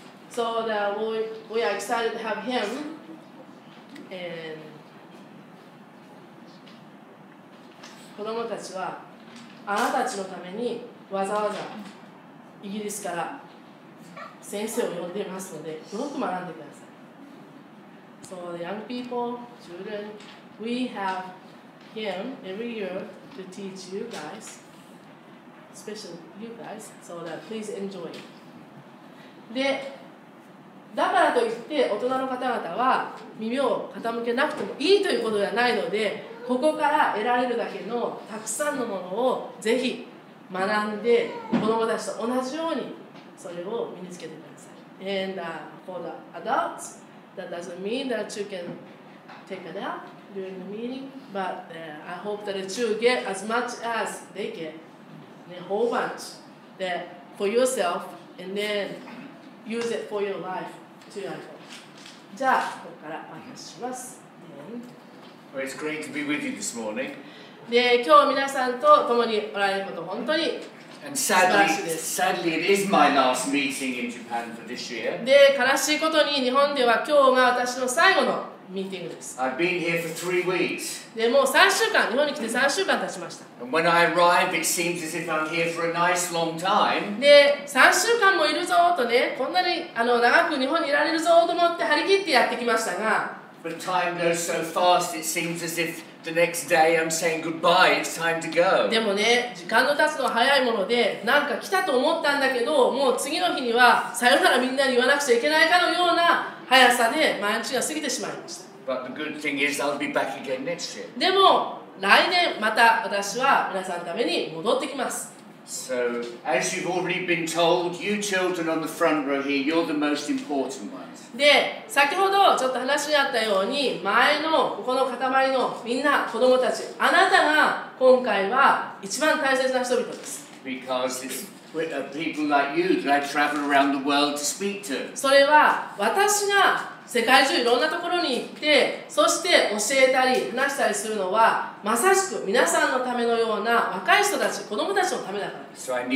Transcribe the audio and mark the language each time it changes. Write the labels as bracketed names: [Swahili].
[English] So that we are excited to have him. [Japanese] And 子供たちはあなたたちのためにわざわざイギリスから先生を呼んでいますのでよく学んでください。 [English] So the young people, children, we have him every year to teach you guys, especially you guys, so that please enjoy. [Japanese] で、だからといって大人の方々は耳を傾けなくてもいいということではないので、ここから得られるだけのたくさんのものをぜひ学んで、子供たちと同じようにそれを身につけてください。 [English] And for the adults,That doesn't mean that you can take a nap during the meeting, but I hope that you get as much as they get, a whole bunch that for yourself, and then use it for your life to your life. [Japanese] じゃあ、ここからお話しします。 [English] Well, it's great to be with you this morning. [Japanese] で、今日皆さんと共におられること、本当に [English] And sadly, it is my last meeting in Japan for this year. [Japanese] で、悲しいことに日本では今日が私の最後のミーティングです。 [English] I've been here for 3 weeks. [Japanese] で、もう3週間、日本に来て3週間経ちました。 [English] And when I arrived, it seems as if I'm here for a nice long time. [Japanese] で、3週間もいるぞとね、こんなに長く日本にいられるぞと思って張り切ってやってきましたが。 [English] But time goes so fast, it seems as if The next day, I'm saying goodbye. It's time to go. [Japanese] でもね、時間の経つのは早いもので、なんか来たと思ったんだけど、もう次の日にはさよならみんなに言わなくちゃいけないかのような速さで毎日が過ぎてしまいました。 [English] But the good thing is, I'll be back again next year. [Japanese] でも来年また私は皆さんのために戻ってきます。 [English] So, as you've already been told, you children on the front row here, you're the most important ones. [Japanese] で、先ほどちょっと話にあったように、前のここの塊のみんな、子供たち、あなたが今回は一番大切な人々です。 [English] Because it's with people like you that I travel around the world to speak to. [Japanese] それは私が世界中いろんなところに行って、そして教えたり話したりするのは、まさしく皆さんのためのような若い人たち、子供たちのためだからです。